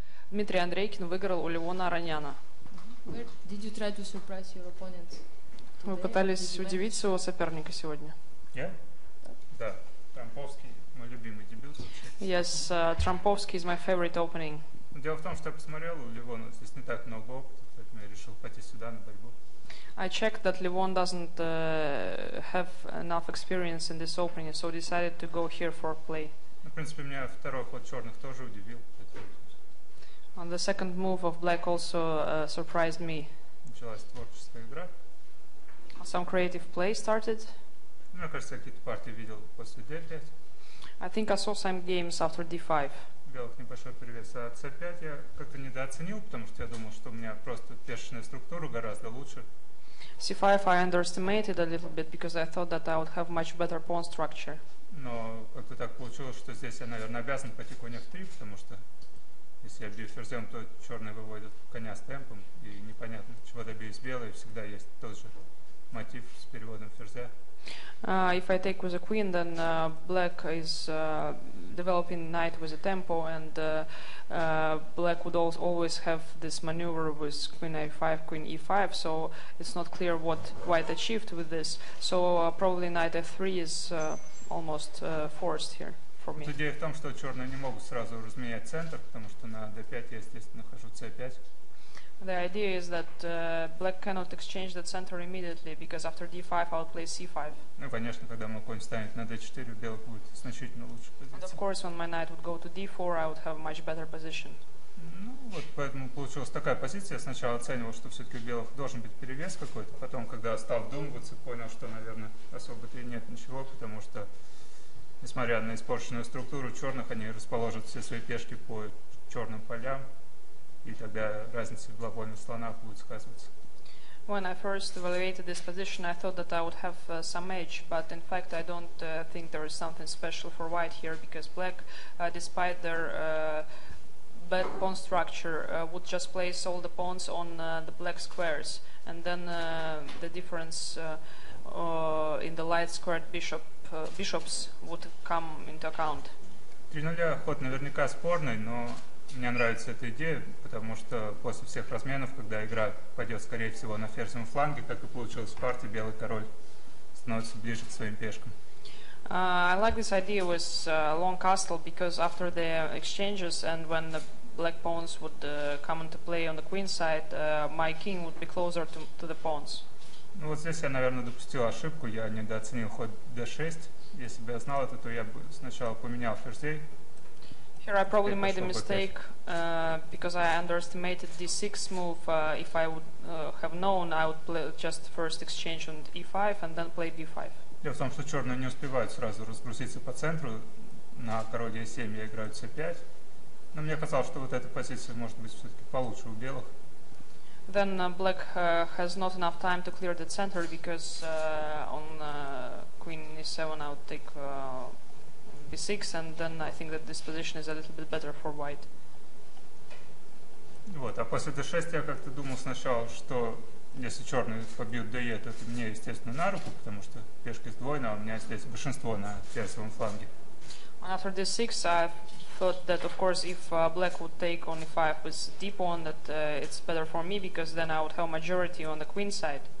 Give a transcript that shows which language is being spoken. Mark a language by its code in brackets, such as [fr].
[ru] Дмитрий Андрейкин выиграл у Леона Ароняна. [en] Did you try to surprise your opponent today? [ru] Вы пытались удивить своего соперника сегодня? Да. Трамповский, мой любимый дебют. [en] Yes, Трамповский is my favorite opening. [ru] Дело в том, что я посмотрел у Левона, здесь не так много опыта, поэтому я решил пойти сюда на борьбу. [en] I checked that Levon doesn't have enough experience in this opening, so decided to go here for a play. [ru] В принципе, меня второй ход черных тоже удивил. [en] On the second move of black also surprised me. [ru] Началась творческая игра. [en] Some creative play started. [ru] Мне кажется, какие-то партии видел после d5. [en] I think I saw some games after d5. [ru] Белых небольшой перевес, а c5 я как-то недооценил, потому что я думал, что у меня просто пешечная структура гораздо лучше. [en] C5 I underestimated a little bit because I thought that I would have much better pawn structure. [ru] Но как-то так получилось, что здесь я, наверное, обязан пойти конь f3, потому что если я бью ферзем, то черные выводят коня с темпом, и непонятно, чего добьюсь белые, всегда есть тот же мотив с переводом ферзя. [en] If I take with a queen, then black is developing knight with a tempo, and black would always have this maneuver with queen a5, queen e5, so it's not clear what white achieved with this. So probably knight f3 is almost forced here for me. [ru] Идея в том, что черные не могут сразу разменять центр, потому что на d5 я, естественно, нахожу c5. [en] The idea is that black cannot exchange the center immediately because after d5 I'll play c5. [ru] Ну, конечно, когда мой конь станет на d4, у белых будет значительно лучше позиция. [en] And of course, when my knight would go to d4, I would have a much better position. [ru] Ну, вот поэтому получилась такая позиция. Я сначала оценивал, что все-таки у белых должен быть перевес какой-то. Потом, когда стал вдумываться, понял, что, наверное, особо-то и нет ничего, потому что, несмотря на испорченную структуру черных, они расположат все свои пешки по черным полям. И тогда разница в глобальных слонах будет сказываться. [en] When I first evaluated this position, I thought that I would have some edge, but in fact I don't think there is something special for white here, because black, despite their bad pawn structure, would just place all the pawns on the black squares, and then the difference in the light squared bishops would come into account. [ru] 3-0 ход наверняка спорный, но мне нравится эта идея, потому что после всех разменов, когда игра пойдет, скорее всего, на ферзевом фланге, как и получилось в партии, белый король становится ближе к своим пешкам. [en] I like this idea with long castle, because after the exchanges and when the black pawns would come into play on the queen side, my king would be closer to the pawns. [ru] Ну вот здесь я, наверное, допустил ошибку, я недооценил ход d6. Если бы я знал это, то я бы сначала поменял ферзей. [en] Here I probably made a mistake because I underestimated d6 move. If I would have known, I would play just first exchange on e5 and then play b5. [ru] Дело в том, что черные не успевают сразу разгрузиться по центру. На короле e7 я играю c5. Но мне казалось, что вот эта позиция может быть все-таки получше у белых. [en] Then black has not enough time to clear the center because on queen e7 I would take b6, and then I think that this position is a little bit better for white. [ru] Вот, а после d6 я как-то думал сначала, что если черные побьют d, то это мне, естественно, на руку, потому что пешка сдвоена, а у меня здесь большинство на ферзевом фланге. [en] And after d6, I thought that, of course, if black would take on e5 with d-pawn, that it's better for me, because then I would have majority on the queen side.